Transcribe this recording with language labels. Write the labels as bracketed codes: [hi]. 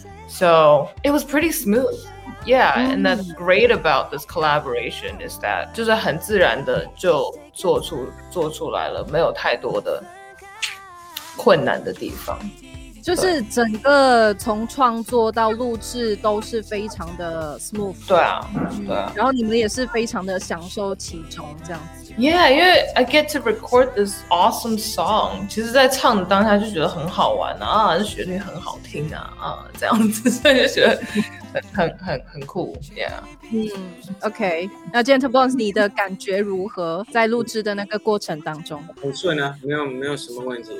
[en] So it was pretty smooth. Yeah, and that's great about this collaboration is that [zh] 就是很自然的就做出来了，没有太多的困难的地方，就是整个从创作到录制都是非常的 smooth。对啊，对啊。然后你们也是非常的享受其中，这样子。 [en] Yeah, [zh] 因为 [en] I get to record this awesome song. [zh] 其实在唱的当下就觉得很好玩啊，这旋律很好听啊，啊这样子，所以就觉得很酷。 [en] Yeah. 嗯 ，OK. [zh] 那 Gentlebones 你的感觉如何？在录制的那个过程当中，很顺啊，没有什么问题。